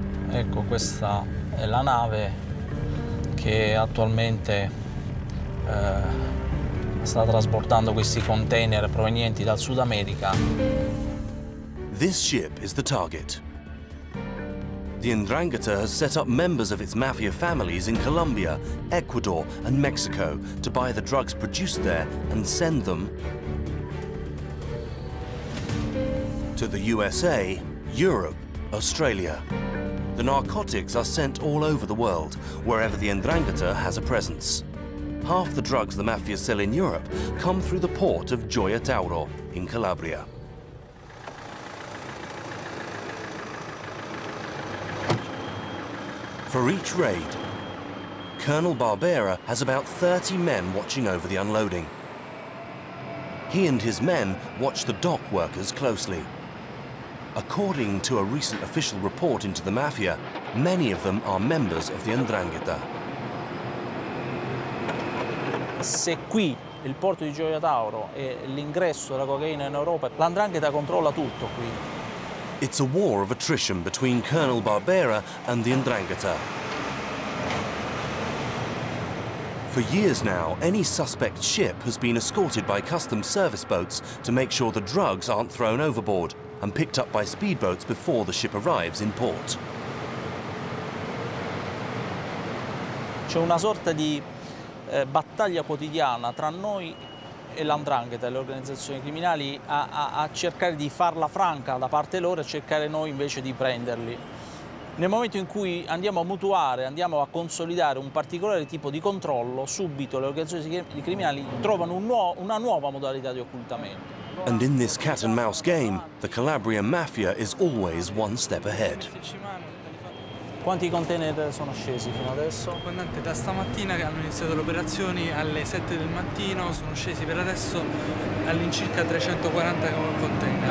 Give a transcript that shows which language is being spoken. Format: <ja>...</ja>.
<it>Ecco, questa è la nave che attualmente sta trasportando questi container provenienti dal Sud America.</it> <en>This ship is the target. The Ndrangheta has set up members of its mafia families in Colombia, Ecuador, and Mexico to buy the drugs produced there and send them to the USA, Europe, Australia. The narcotics are sent all over the world, wherever the Ndrangheta has a presence. Half the drugs the mafia sell in Europe come through the port of Gioia Tauro in Calabria. For each raid, Colonel Barbera has about 30 men watching over the unloading. He and his men watch the dock workers closely. According to a recent official report into the mafia, many of them are members of the Ndrangheta.</en> <it>Se qui il porto di Gioia Tauro è l'ingresso della cocaina in Europa, l'Ndrangheta controlla tutto qui.</it> <en>It's a war of attrition between Colonel Barbera and the Ndrangheta. For years now, any suspect ship has been escorted by customs service boats to make sure the drugs aren't thrown overboard and picked up by speedboats before the ship arrives in port.</en> <it>C'è una sorta di battaglia quotidiana tra noi e l'Ndrangheta, le organizzazioni criminali, a cercare di farla franca da parte loro e cercare noi invece di prenderli. Nel momento in cui andiamo a mutuare, andiamo a consolidare un particolare tipo di controllo, subito le organizzazioni criminali trovano una nuova modalità di occultamento.</it> <en>And in this cat and mouse game, the Calabrian mafia is always one step ahead.</en> <it>Quanti container sono scesi fino adesso? Comandante, da stamattina che hanno iniziato le operazioni alle 7 del mattino, sono scesi per adesso all'incirca 340 container.</it>